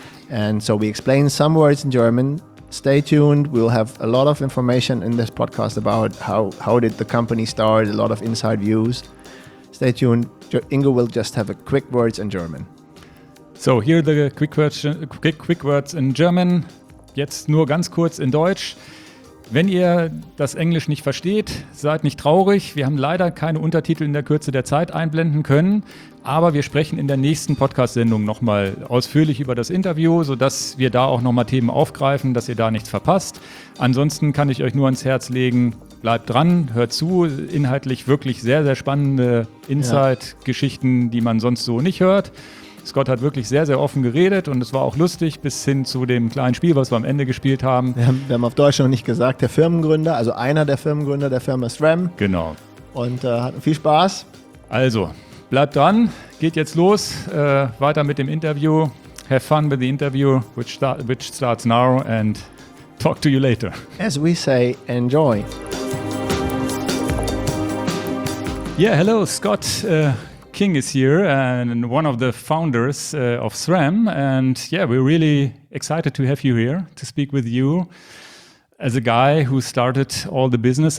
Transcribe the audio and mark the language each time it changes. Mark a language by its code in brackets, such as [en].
[en] And so we explain some words in German. Stay tuned. We'll have a lot of information in this podcast about how did the company start, a lot of inside views. Stay tuned. Ingo will just have a quick words in German. So here are the quick words in German. [de] Jetzt nur ganz kurz in Deutsch. Wenn ihr das Englisch nicht versteht, seid nicht traurig. Wir haben leider keine Untertitel in der Kürze der Zeit einblenden können. Aber wir sprechen in der nächsten Podcast-Sendung nochmal ausführlich über das Interview, sodass wir da auch nochmal Themen aufgreifen, dass ihr da nichts verpasst. Ansonsten kann ich euch nur ans Herz legen, bleibt dran, hört zu. Inhaltlich wirklich sehr, sehr spannende Inside-Geschichten, die man sonst so nicht hört. Scott hat wirklich sehr, sehr offen geredet und es war auch lustig, bis hin zu dem kleinen Spiel, was wir am Ende gespielt haben. Wir haben auf Deutsch noch nicht gesagt, der Firmengründer, also einer der Firmengründer der Firma SRAM. Genau. Und hat viel Spaß. Also, bleibt dran, geht jetzt los, weiter mit dem Interview. [en] Have fun with the interview, which starts now, and talk to you later. As we say, enjoy. Yeah, hello, Scott. King is here and one of the founders of SRAM, and yeah, we're really excited to have you here to speak with you as a guy who started all the business.